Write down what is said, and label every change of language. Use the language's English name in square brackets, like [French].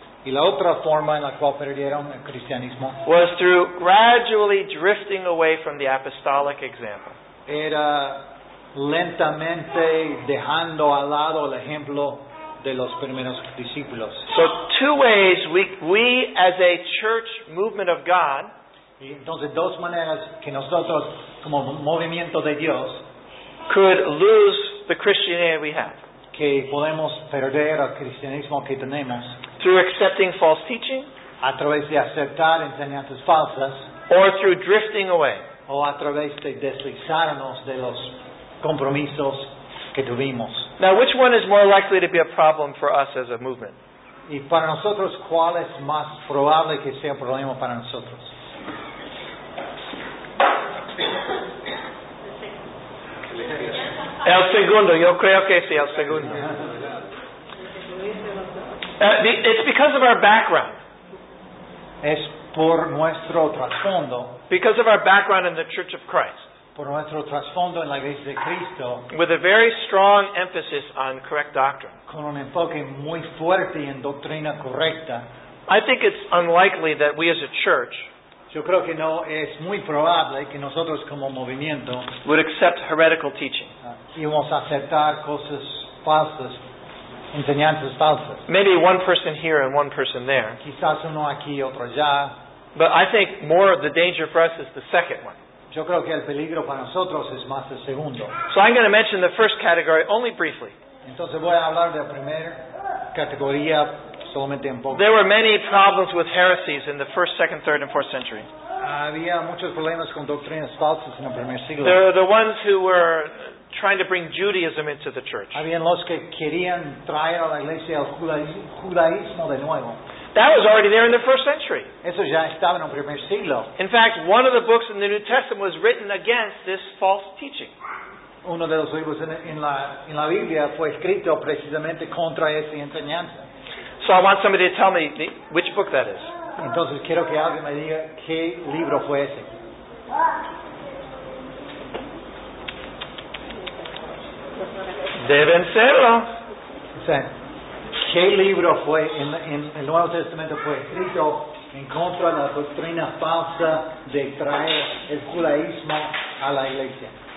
[Spanish] y la otra forma en la cual perdieron el cristianismo, [English] was through gradually drifting away from the apostolic example. [Spanish] Era lentamente dejando al lado el ejemplo de los primeros discípulos. [English] So two ways we as a church movement of God, [Spanish] entonces dos maneras que nosotros como movimiento de Dios, [English] could lose the Christianity we have, [Spanish] que podemos perder el cristianismo que tenemos, [English] through accepting false teaching, [Spanish] a través de aceptar enseñanzas falsas, [English] or through drifting away, [Spanish] o a través de deslizarnos de los compromisos que tuvimos. [English] Now, which one is more likely to be a problem for us as a movement? [Spanish] Y para nosotros, ¿cuál es más probable que sea un problema para nosotros? El segundo, yo creo que sí, el segundo. [English] It's because of our background. [Spanish] Es por nuestro trasfondo. [English] Because of our background in the Church of Christ. [Spanish] Por nuestro trasfondo en la iglesia de Cristo, [English] with a very strong emphasis on correct doctrine, [Spanish] con un enfoque muy fuerte en doctrina correcta, [English] I think it's unlikely that we as a church, [Spanish] yo creo que no es muy probable que nosotros como movimiento, [English] would accept heretical teaching. [Spanish] Íbamos a aceptar cosas falsas, enseñanzas falsas. [English] Maybe one person here and one person there. [Spanish] Quizás uno aquí, otro allá. [English] But I think more of the danger for us is the second one. [Spanish] Yo creo que el peligro para nosotros es más el segundo. [English] So I'm going to mention the first category only briefly. [Spanish] Entonces voy a hablar de la primera categoría solamente en poco. [English] There were many problems with heresies in the 1st, 2nd, 3rd, and 4th century. [Spanish] Había muchos problemas con doctrinas falsas en el primer siglo. [English] There were the ones who were trying to bring Judaism into the church. [Spanish] Habían los que querían traer a la iglesia el judaísmo de nuevo. [English] That was already there in the first century. [Spanish] Eso ya estaba en el primer siglo. [English] In fact, one of the books in the New Testament was written against this false teaching. [Spanish] Uno de los libros en la Biblia fue escrito precisamente contra esa enseñanza. [English] So I want somebody to tell me which book that is. [Spanish] Entonces quiero que alguien me diga qué libro fue ese. Deben serlo. Sí. ¿Qué libro fue en el Nuevo Testamento fue escrito en contra de la doctrina falsa de traer el judaísmo a la iglesia?